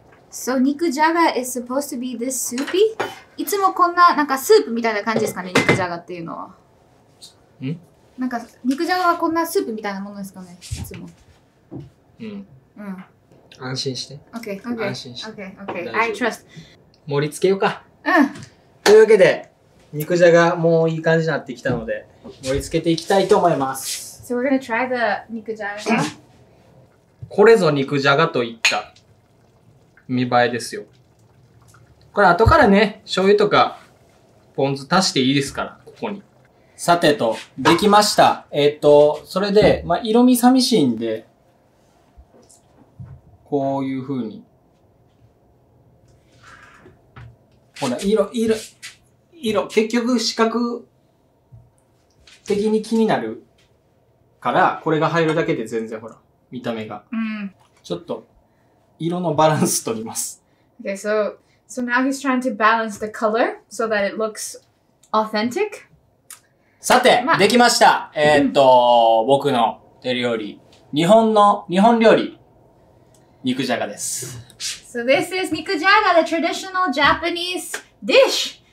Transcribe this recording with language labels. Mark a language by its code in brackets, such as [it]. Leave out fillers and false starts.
[en] So, 肉じゃが is supposed to be this soupy? [ja] いつもこんな、なんかスープみたいな感じですかね、肉じゃがっていうのは。ん？なんか、肉じゃがはこんなスープみたいなものですかね、いつも。うん。うん、安心して。 [en] Okay, okay. [ja] 安心して。 [en] Okay, okay. I trust. [ja] 盛り付けようか。うん。というわけで、肉じゃがもういい感じになってきたので、盛り付けていきたいと思います。 [en] So we're gonna try the 肉じゃが。 [ja] これぞ肉じゃがといった見栄えですよ。これ後からね、醤油とかポン酢足していいですから、ここに。さてと、できました。それで、まあ、色味寂しいんで、こういう風に。ほら、色、結局視覚的に気になるから、これが入るだけで全然ほら、見た目が。うん。ちょっと、色のバランス取ります。 [en] Okay, so, so now he's trying to balance the color so that it looks authentic. [ja] さて、ま、できました。僕の手料理。日本料理。肉じゃがです。 [en] So this is 肉じゃが, the traditional Japanese dish.